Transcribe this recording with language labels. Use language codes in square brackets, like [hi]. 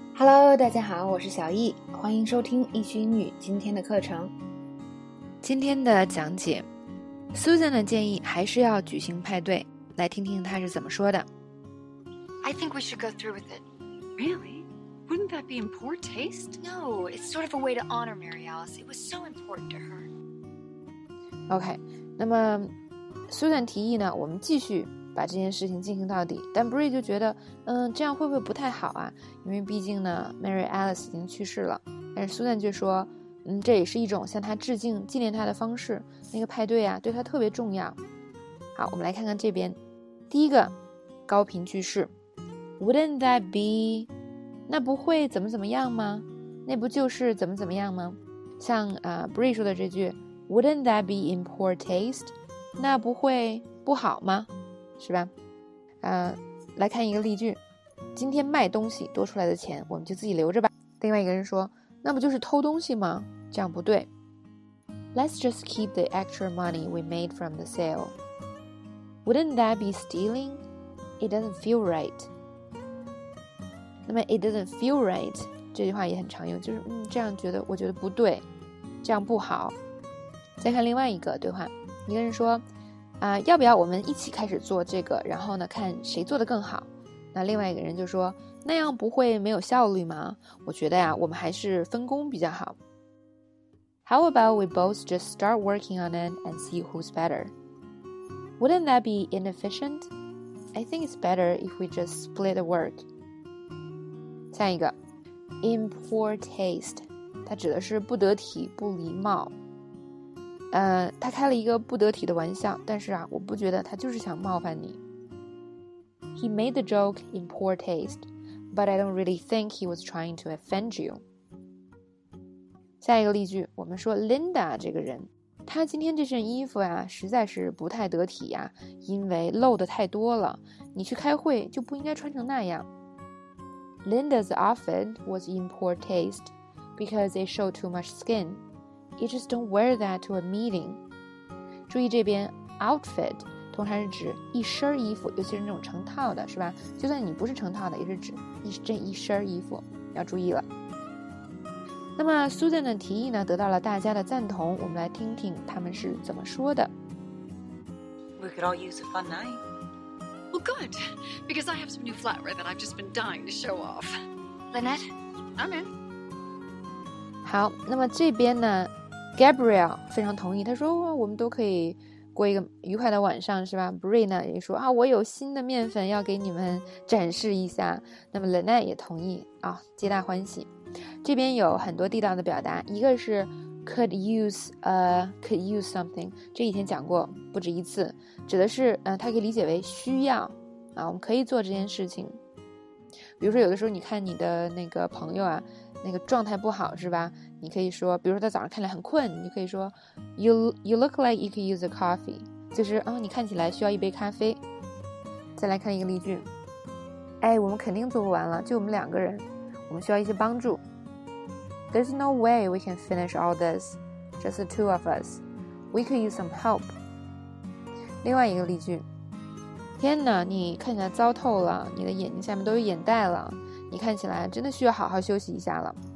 [zh] Hello， 大家好，我是小易，欢迎收听易学英语今天的课程。今天的讲解 ，Susan 的建议还是要举行派对，来听听她是怎么说的。 [en] I think we should go through with it. Really? Wouldn't that be in poor taste? No, it's sort of a way to honor Mary Alice. It was so important to her. [zh] OK， 那么 Susan 提议呢，我们继续把这件事情进行到底，但 Bree 就觉得，这样会不会不太好啊？因为毕竟呢 ，Mary Alice 已经去世了。但是 Susan 却说，这也是一种向她致敬、纪念她的方式。那个派对啊，对她特别重要。好，我们来看看这边，第一个高频句式 ，Wouldn't that be？那不会怎么怎么样吗？那不就是怎么怎么样吗？像Bree 说的这句 ， [en] Wouldn't that be in poor taste？ [zh] 那不会不好吗？是吧？来看一个例句，今天卖东西多出来的钱我们就自己留着吧。另外一个人说，那不就是偷东西吗？这样不对。 [en] Let's just keep the extra money we made from the sale. Wouldn't that be stealing? It doesn't feel right. [zh] 那么 it doesn't feel right 这句话也很常用，就是这样觉得，我觉得不对，这样不好。再看另外一个对话，一个人说，要不要我们一起开始做这个，然后呢看谁做得更好。那另外一个人就说，那样不会没有效率吗？我觉得呀，我们还是分工比较好。 [en] How about we both just start working on it and see who's better? Wouldn't that be inefficient? I think it's better if we just split the work. [zh] 下一个 in poor taste， 它指的是不得体，不礼貌。他开了一个不得体的玩笑，但是啊，我不觉得他就是想冒犯你。 [en] He made the joke in poor taste, but I don't really think he was trying to offend you. [zh] 下一个例句，我们说 Linda 这个人，她今天这身衣服啊，实在是不太得体呀，因为露的太多了。你去开会就不应该穿成那样。 [en] Linda's outfit was in poor taste because it showed too much skin. You just don't wear that to a meeting. [zh] 注意这边 outfit 通常是指一身衣服，尤其是那种成套的，是吧？就算你不是成套的，也是指这一身衣服，要注意了。那么 Susan 的提议呢，得到了大家的赞同。我们来听听他们是怎么说的。 [en] We could all use a fun night. Well, good, because I have some new flatware that I've just been dying to show off. Lynette, I'm in. [zh] 好，那么这边呢 ，Gabriel 非常同意，他说，我们都可以过一个愉快的晚上，是吧 ？Bree 呢也说，我有新的面粉要给你们展示一下。那么 Lynette 也同意啊，皆大欢喜。这边有很多地道的表达，一个是 could use something， 这以前讲过不止一次，指的是它可以理解为需要啊，我们可以做这件事情。比如说有的时候你看你的那个朋友啊，那个状态不好是吧，你可以说，比如说他早上看来很困，你可以说 [en] you look like you could use a coffee， [zh] 就是你看起来需要一杯咖啡。再来看一个例句，我们肯定做不完了，就我们两个人，我们需要一些帮助。 [en] There's no way we can finish all this just the two of us. We could use some help. [zh] 另外一个例句，天哪，你看起来糟透了，你的眼睛下面都有眼袋了，你看起来真的需要好好休息一下了。